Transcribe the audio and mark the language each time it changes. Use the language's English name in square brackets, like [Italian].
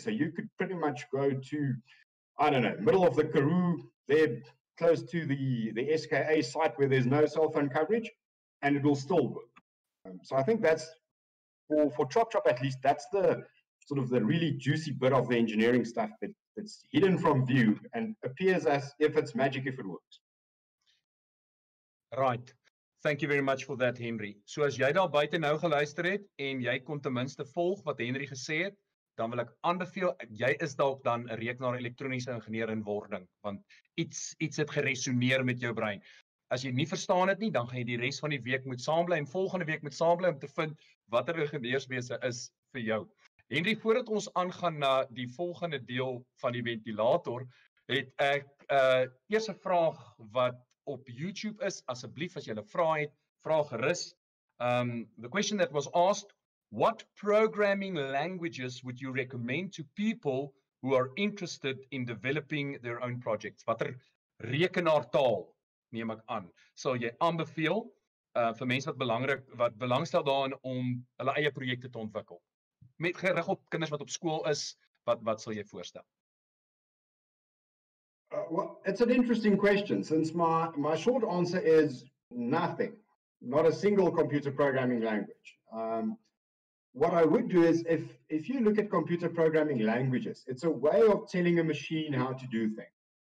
[English] So you could pretty much go to, I don't know, middle of the Karoo, there close to the SKA site where there's no cell phone coverage, and it will still work. So I think that's, for Chop Chop at least, that's the sort of the really juicy bit of the engineering stuff that's hidden from view and appears as if it's magic if it works. Right. Thank you very much for that, Henri. [Afrikaans] So as jy daar buite nou geluister het en jy kon ten minste volg wat Henri gesê het, dan wil ek aanbeveel, jy is dalk dan 'n rekenaar elektroniese ingenieur in wording, want iets het geresoneer met jou brein. As jy nie verstaan het nie, dan gaan jy die res van die week moet saam bly en volgende week moet saam bly om te vind watter ingenieurswese is vir jou. Henri, voordat ons aangaan na die volgende deel van die ventilator, het ek eers 'n vraag wat op YouTube is, asseblief as jy 'n vraag het, vra gerus. [English] The question that was asked, what programming languages would you recommend to people who are interested in developing their own projects? [Afrikaans] Watter rekenaartaal neem ek aan, sal jy aanbeveel vir mense wat belangstel daarin om hulle eie projekte te ontwikkel? Met gerig op kinders wat op skool is, wat sal jy voorstel? [English] Well, it's an interesting question, since my short answer is nothing, not a single computer programming language. What I would do is, if you look at computer programming languages, it's a way of telling a machine how to do things.